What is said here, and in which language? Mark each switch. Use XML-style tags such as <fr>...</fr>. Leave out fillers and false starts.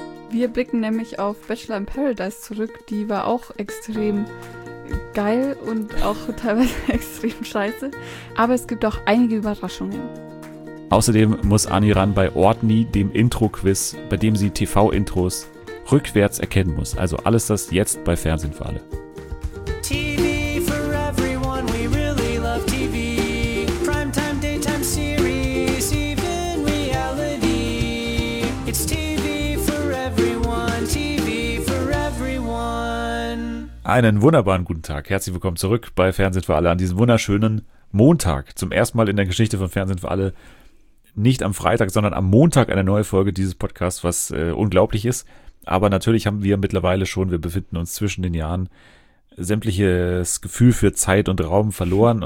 <de>Wir blicken nämlich auf Bachelor in Paradise zurück, die war auch extrem geil und auch teilweise extrem scheiße. Aber es gibt auch einige Überraschungen. Außerdem muss Anni ran bei Ordni, dem Intro-Quiz, bei dem sie TV-Intros rückwärts erkennen muss. Also alles das jetzt bei Fernsehen für alle.</de> <en>TV for everyone, we really love TV. Primetime, daytime series, even reality. It's TV for everyone, TV for everyone.</en> <de>Einen wunderbaren guten Tag. Herzlich willkommen zurück bei Fernsehen für alle an diesem wunderschönen Montag. Zum ersten Mal in der Geschichte von Fernsehen für alle. Nicht am Freitag, sondern am Montag eine neue Folge dieses Podcasts, was unglaublich ist. Aber natürlich haben wir mittlerweile schon, wir befinden uns zwischen den Jahren, sämtliches Gefühl für Zeit und Raum verloren.</de>